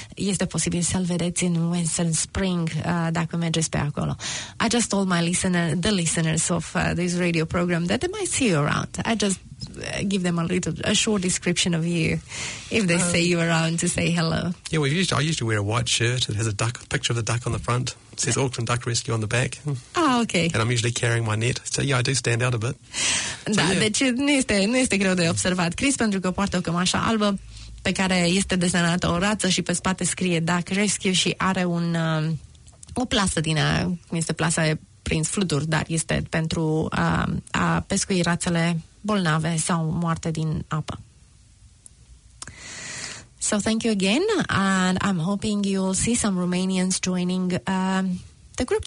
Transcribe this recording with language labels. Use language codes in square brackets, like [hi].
[ro] Este posibil să-l vedeți în Western Spring, dacă mergeți pe acolo. [en] I just told the listeners of this radio program that they might see you around. I just give them a short description of you if they see you around to say hello. Yeah, I usually wear a white shirt. It has a duck, a picture of the duck on the front. It says Auckland Duck Rescue on the back. Ah, okay. And I'm usually carrying my net. So, yeah, I do stand out a bit. [ro] So, da, yeah. Deci nu este greu de observat. Chris, pentru că poartă o cămașă albă pe care este desenată o rață și pe spate scrie Duck Rescue și are o plasă din aia. Este plasă prin fluturi, dar este pentru a pescui rațele bolnave sau moarte din apă. [en] So thank you again, and I'm hoping you'll see some Romanians joining the group.